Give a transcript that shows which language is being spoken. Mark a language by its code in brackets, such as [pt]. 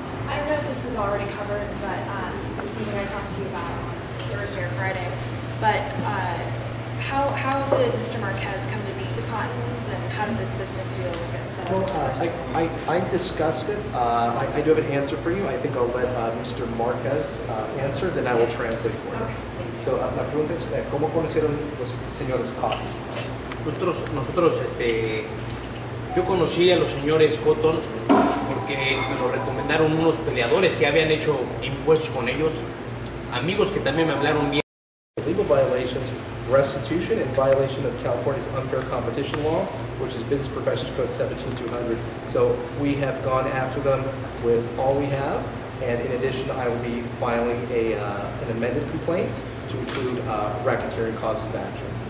[en] I don't know if this was already covered, but it's something I talked to you about Thursday or Friday. But how did Mr. Marquez come to meet the Cottons, and how did this business deal get set up? Well, I discussed it. I do have an answer for you. I think I'll let Mr. Marquez answer, then I will translate for you. Okay. [es] So, la pregunta es, ¿cómo conocieron los señores Cotton? Nosotros, yo conocí a los señores Cotton porque me lo recomendaron unos peleadores que habían hecho impuestos con ellos, amigos que también me hablaron bien. [en] Legal violations, restitution, and violation of California's unfair competition law, which is Business Professions Code 17200. So we have gone after them with all we have, and in addition, I will be filing an amended complaint to include racketeering causes of action.